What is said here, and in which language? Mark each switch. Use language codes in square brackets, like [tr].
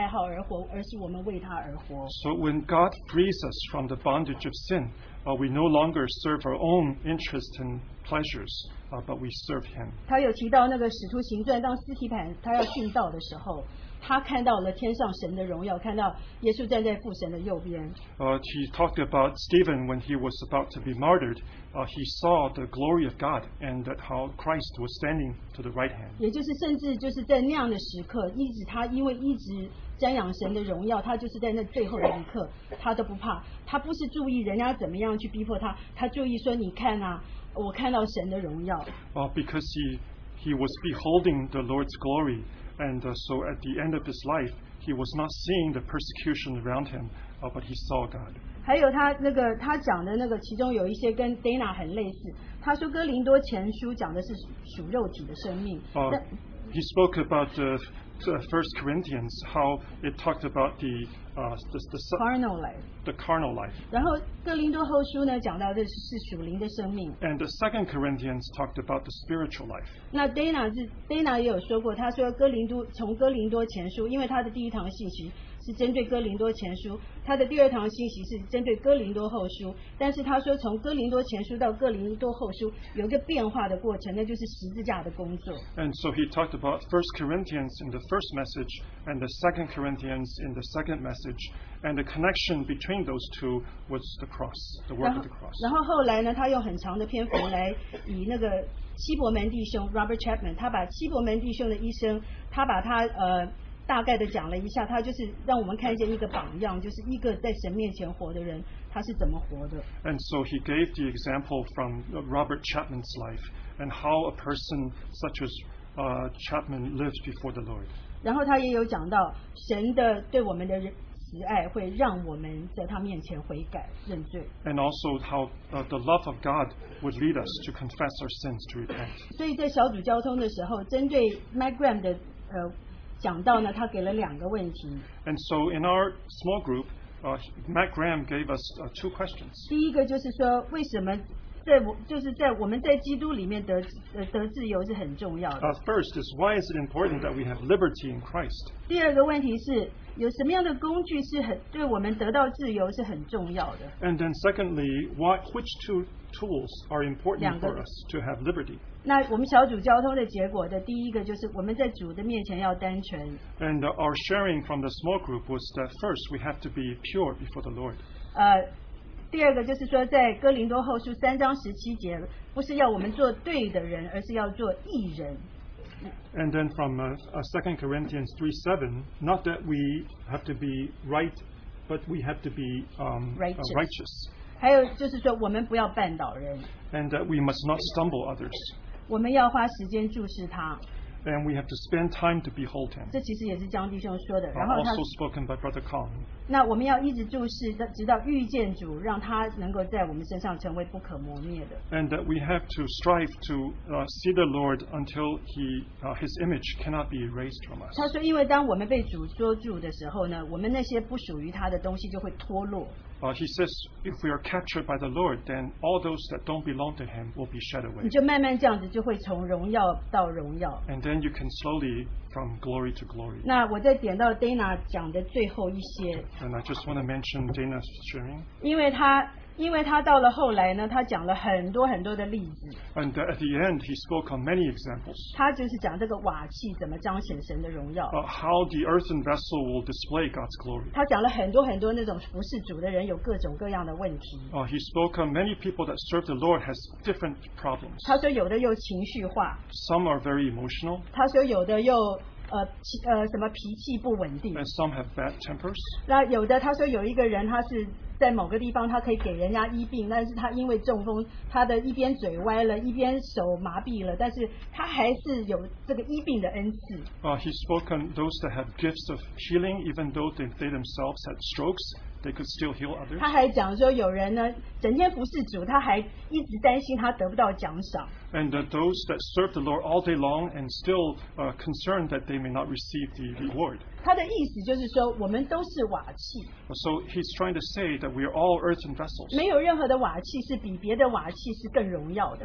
[zh] 得到释放了以后呢，我们不是为了自己的兴趣或是自己的爱好而活，而是我们为他而活。 [en] So when God frees us from the bondage of sin, we no longer serve our own interests and pleasures, but we serve Him. [zh] 他有提到那个使徒行传，当斯提坦他要殉道的时候，他看到了天上神的荣耀，看到耶稣站在父神的右边。 [en] He talked about Stephen when he was about to be martyred. He saw the glory of God and that how Christ was standing to the right hand. [zh] 也就是甚至就是在那样的时刻，一直他因为一直瞻仰神的荣耀，他就是在那最后的一刻，他都不怕，他不是注意人家怎么样去逼迫他，他注意说，你看啊，我看到神的荣耀。 [en] Because he was beholding the Lord's glory, and so at the end of his life, he was not seeing the persecution around him, but he saw God. [zh] 还有他那个他讲的那个其中有一些跟 Dana 很类似，他说哥林多前书讲的是属肉体的生命。 [en] He spoke about the First Corinthians, how it talked about the carnal life. The carnal life. [zh] 然后哥林多后书呢讲到的是属灵的生命。 [en] And the Second Corinthians talked about the spiritual life. [zh] 那 Dana 也有说过，他说哥林多从哥林多前书，因为他的第一堂信息是针对哥林多前书，他的第二堂信息是针对哥林多后书，但是他说从哥林多前书到哥林多后书有一个变化的过程，那就是十字架的工作。 [en] And so he talked about 1 Corinthians in the first message and the 2 Corinthians in the second message, and the connection between those two was the cross, the work of the cross. [zh] 然后后来呢，他用很长的篇幅来以那个西伯门弟兄 Robert Chapman, 他把西伯门弟兄的一生，他把他大概的讲了一下，他就是让我们看见一个榜样，就是一个在神面前活的人，他是怎么活的。 [en] And so he gave the example from Robert Chapman's life and how a person such as Chapman lived before the Lord. [zh] 然后他也有讲到神的对我们的慈爱会让我们在他面前悔改认罪。 [en] And also how the love of God would lead us to confess our sins to repent. [zh] 所以在小组交通的时候，针对 Mike Graham 的讲到呢，他给了两个问题。 [en] And so in our small group, Matt Graham gave us two questions. [zh] 第一个就是说，为什么在我们在基督里面得自由是很重要的。 [en] First is why is it important that we have liberty in Christ? [zh] 第二个问题是，有什么样的工具是很对我们得到自由是很重要的。 [en] And then secondly, which two tools are important for us to have liberty? [zh] 那我们小组交通的结果的第一个就是我们在主的面前要单纯。 [en] And our sharing from the small group was that first we have to be pure before the Lord. [zh] 第二个就是说在哥林多后书三章十七节，不是要我们做对的人，而是要做义人。 [en] And then from 2 Corinthians 3:7, not that we have to be right, but we have to be righteous. [zh] 还有就是说我们不要绊倒人。 [en] And that we must not stumble others. [zh] 我们要花时间注视他。 [en] And we have to spend time to behold him. [zh] 这其实也是江弟兄说的。 [en] Also spoken by Brother Kong. [zh] 那我们要一直注视，直到遇见主，让他能够在我们身上成为不可磨灭的。 [en] And that we have to strive to see the Lord until his image cannot be erased from us. [zh] 他说，因为当我们被主捉住的时候呢，我们那些不属于他的东西就会脱落。 [en] He says, if we are captured by the Lord, then all those that don't belong to him will be shed away. [zh] 你就慢慢这样子就会从荣耀到荣耀。 [en] And then you can slowly from glory to glory. [zh] 那我再点到 Dana 讲的最后一些。 [en] And I just want to mention Dana's sharing. [zh] 因为他到了后来呢，他讲了很多很多的例子。 [en] And at the end, he spoke on many examples. [zh] 他就是讲这个瓦器怎么彰显神的荣耀。 [en] How the earthen vessel will display God's glory. [zh] 他讲了很多很多那种服侍主的人有各种各样的问题。 [en] He spoke on many people that serve the Lord has different problems. [zh] 他说有的又情绪化。 [en] Some are very emotional. [zh] 他说有的又什么脾气不稳定。 [en] And some have bad tempers. [zh] 那有的他说有一个人他是在某个地方他可以给人家医病，但是他因为中风，他的一边嘴歪了，一边手麻痹了，但是他还是有这个医病的恩赐。 [en] He spoke on those that have gifts of healing, even though they themselves had strokes, they could still heal others. [zh] 他还讲说有人呢，整天服侍主，他还一直担心他得不到奖赏。 [en] And those that serve the Lord all day long and still concerned that they may not receive the reward. [zh] 他的意思就是说我们都是瓦器。 [en] So he's trying to say that we are all earthen vessels. [zh] 没有任何的瓦器是比别的瓦器是更荣耀的。